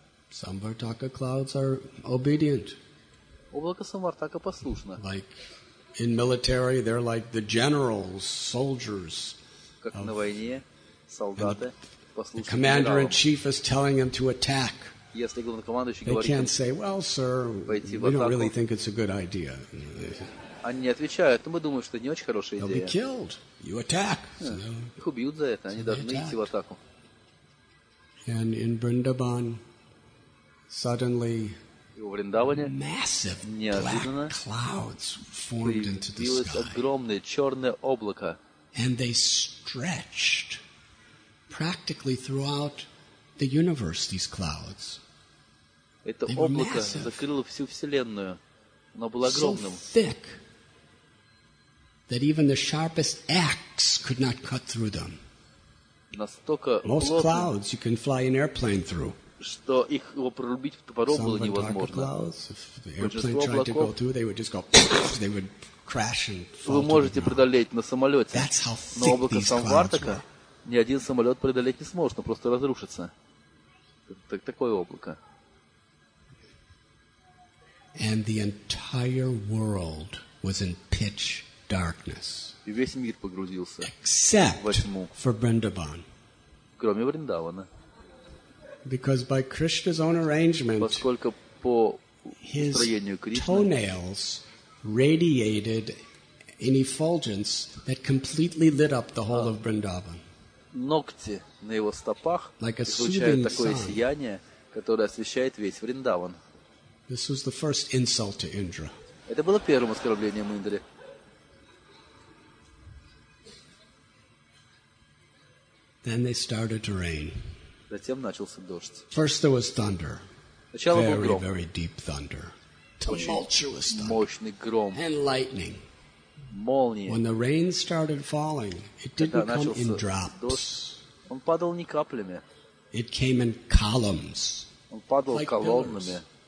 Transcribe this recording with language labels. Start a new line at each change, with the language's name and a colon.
English: Samvartaka clouds are obedient. Like in military, they're like the generals, soldiers.
Russian: Как на войне солдаты послушны.
English: The commander-in-chief is telling them to attack.
Russian: Если главнокомандующий говорит,
English: they can't say, well, sir, we don't really think it's a good idea.
Russian: Они отвечают, мы думаем, что это не очень хорошая идея.
English: They'll be killed. You attack.
Russian: Их убьют за это, они должны идти в атаку.
English: And in Vrindavan, suddenly, massive black clouds formed into the sky.
Russian: Огромное черное облако.
English: And they stretched practically throughout the universe, these clouds.
Russian: Это облако закрыло всю вселенную. Оно было огромным.
English: So thick that even the sharpest axe could not cut through them.
Russian: Настолько
English: most clouds you can fly an airplane through.
Russian: Что их его прорубить топором было невозможно.
English: Clouds, if the airplane tried to go through, they would just go, they would crash and fall.
Russian: Вы можете преодолеть на самолете.
English: That's how thick.
Russian: Но облако Самвартака ни один самолет преодолеть не сможет, он просто разрушится. Так, такое облако.
English: And the entire world was in pitch darkness.
Russian: И весь мир погрузился.
English: Except for Vrindavan.
Russian: Кроме Вриндавана.
English: Because by Krishna's own arrangement,
Russian: поскольку по устроению Кришны,
English: his toenails radiated an effulgence that completely lit up the whole of Vrindavan.
Russian: Ногти на его стопах излучают такое сияние, которое освещает весь Вриндаван.
English: This was the first insult to Indra.
Russian: Это было первым оскорблением Индры.
English: Then they started to rain.
Russian: Затем начался дождь.
English: First there was thunder.
Russian: Сначала
English: very,
Russian: был гром.
English: Very deep thunder. Tumultuous thunder.
Russian: Мощный гром.
English: And lightning.
Russian: Молния.
English: When the rain started falling, it didn't come in drops.
Russian: Дождь, он падал не каплями.
English: It came in columns.
Russian: Он падал
English: like
Russian: колоннами.